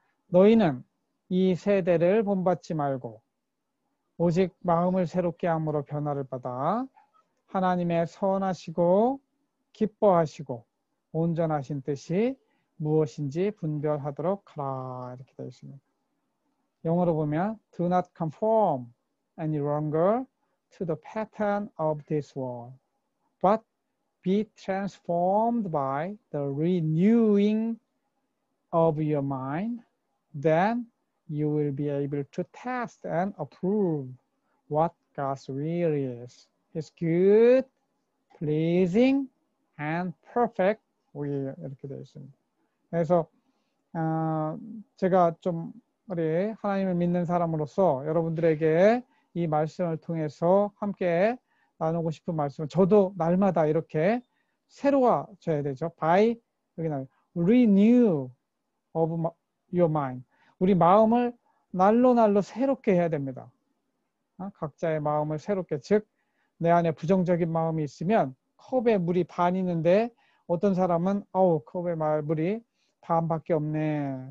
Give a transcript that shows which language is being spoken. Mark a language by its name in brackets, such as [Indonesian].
[Korean] 너희는 이 세대를 본받지 말고 오직 마음을 새롭게 함으로 변화를 받아 하나님의 선하시고 기뻐하시고 온전하신 뜻이 무엇인지 분별하도록 하라. 이렇게 되어 있습니다. 영어로 보면 [English] Do not conform any longer to the pattern of this world, but be transformed by the renewing of your mind. Then you will be able to test and approve what God's will is, His good, pleasing, and perfect will. [Korean] 이렇게 되어 있습니다. 그래서 제가 좀 우리 하나님을 믿는 사람으로서 여러분들에게 이 말씀을 통해서 함께 나누고 싶은 말씀은 저도 날마다 이렇게 새로워져야 되죠. [English] By, [Korean] 여기 나와요. [English] Renew of your mind. [Korean] 우리 마음을 날로 날로 새롭게 해야 됩니다. 각자의 마음을 새롭게, 즉 내 안에 부정적인 마음이 있으면 컵에 물이 반 있는데 어떤 사람은 아우 컵에 물이 반밖에 없네.